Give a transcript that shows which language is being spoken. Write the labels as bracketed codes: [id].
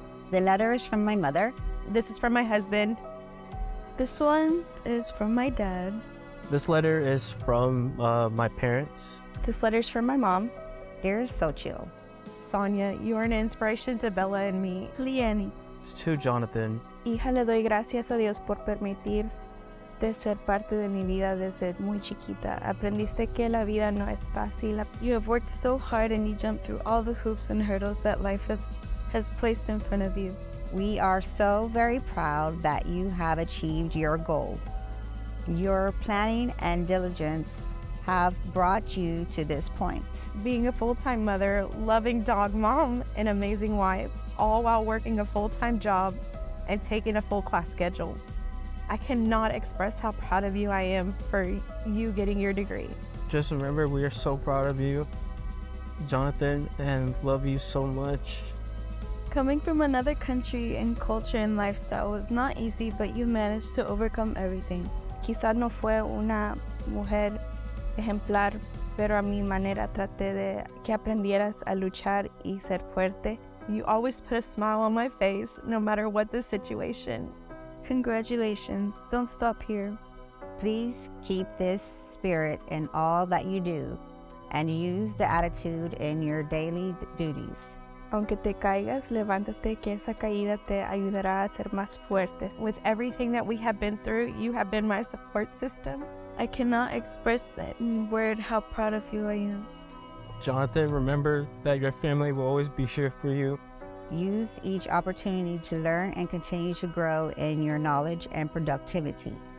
[en] The letter is from my mother. This is from my husband. This one is from my dad. This letter is from my parents. This letter is from my mom. Here's Sochi. Sonia, you are an inspiration to Bella and me. Liani. It's to Jonathan. [es] Hija, le doy gracias a Dios por permitir de ser parte de mi vida desde muy chiquita. Aprendiste que la vida no es fácil. [en] You have worked so hard and you jumped through all the hoops and hurdles that life has placed in front of you. We are so very proud that you have achieved your goal. Your planning and diligence have brought you to this point. Being a full-time mother, loving dog mom, an amazing wife, all while working a full-time job and taking a full class schedule. I cannot express how proud of you I am for you getting your degree. Just remember, we are so proud of you, Jonathan, and love you so much. Coming from another country and culture and lifestyle was not easy, but you managed to overcome everything. [es] Quizás no fue una mujer ejemplar, pero a mi manera traté de que aprendieras a luchar y ser fuerte. [en] You always put a smile on my face, no matter what the situation. Congratulations, don't stop here. Please keep this spirit in all that you do and use the attitude in your daily duties. [es] Aunque te caigas, levántate, que esa caída te ayudará a ser más fuerte. [en] With everything that we have been through, you have been my support system. I cannot express in word how proud of you I am. Jonathan, remember that your family will always be here for you. Use each opportunity to learn and continue to grow in your knowledge and productivity.